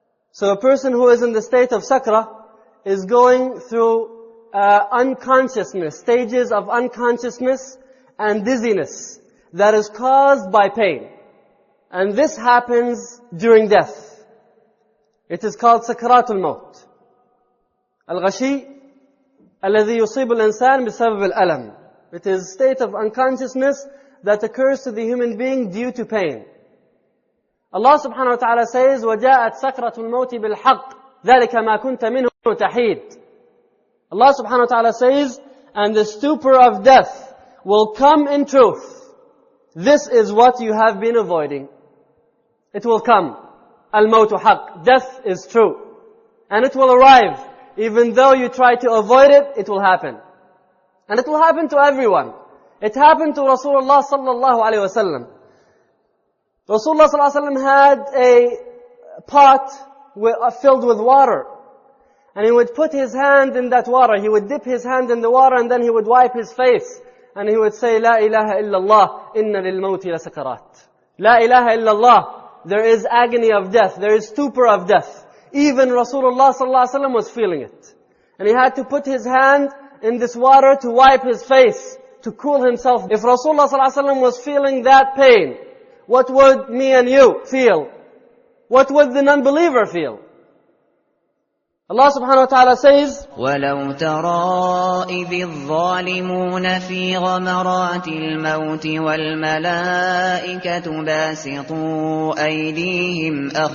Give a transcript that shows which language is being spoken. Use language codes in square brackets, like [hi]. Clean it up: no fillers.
[en] So a person who is in the state of sakra is going through unconsciousness, stages of unconsciousness and dizziness that is caused by pain. And this happens during death. It is called sakratul maut. [ar] Al-ghashi, الَّذِي يُصِيبُ الْإِنسَانِ بِسَبَبِ الْأَلَمِ. [en] It is a state of unconsciousness that occurs to the human being due to pain. Allah subhanahu wa ta'ala says, [ar] وَجَاءَتْ سَكْرَةُ الْمَوْتِ بِالْحَقِّ ذَلِكَ مَا كُنْتَ مِنْهُ تَحِيدٌ. [en] Allah subhanahu wa ta'ala says, and the stupor of death will come in truth. This is what you have been avoiding. It will come. [ar] الْمَوْتُ حَقِّ. [en] Death is true. And it will arrive. Even though you try to avoid it, it will happen. And it will happen to everyone. It happened to Rasulullah sallallahu alayhi wa sallam. Rasulullah sallallahu alayhi wa sallam had a pot filled with water. And he would put his hand in that water. He would dip his hand in the water and then he would wipe his face. And he would say, [ar] La ilaha illallah, inna lilmawti lasakarat. [en] La ilaha illallah, there is agony of death. There is stupor of death. Even Rasulullah sallallahu alayhi wa sallam was feeling it. And he had to put his hand in this water to wipe his face, to cool himself. If Rasulullah sallallahu alayhi wa sallam was feeling that pain, what would me and you feel? What would the non-believer feel? Allah subhanahu wa ta'ala says, [ar] وَلَوْ تَرَى إِذِ الظَّالِمُونَ فِي غَمَرَاتِ الْمَوْتِ وَالْمَلَائِكَةُ بَاسِطُوا أَيْدِيهِمْ